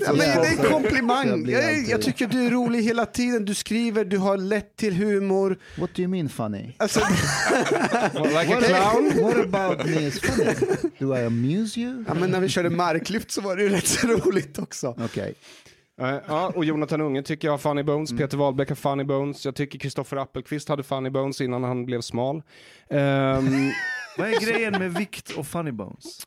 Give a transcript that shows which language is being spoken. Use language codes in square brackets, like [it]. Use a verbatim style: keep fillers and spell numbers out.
[sv] Ja, men det är en komplimang. jag, jag, jag tycker du är rolig hela tiden. Du skriver, du har lätt till humor. [en] What do you mean funny? Alltså, well, like a clown? What about me is funny? Do I amuse you? [sv] Ja, men när vi körde marklyft så var det ju rätt så roligt också. Okej. Okay. Uh, ja, och Jonathan Unge tycker jag har [en] funny bones. [sv] Mm. Peter Wahlbeck har funny bones. Jag tycker Kristoffer Appelqvist hade [en] funny bones [sv] innan han blev smal. Um, Vad är grejen med vikt och [en] funny bones?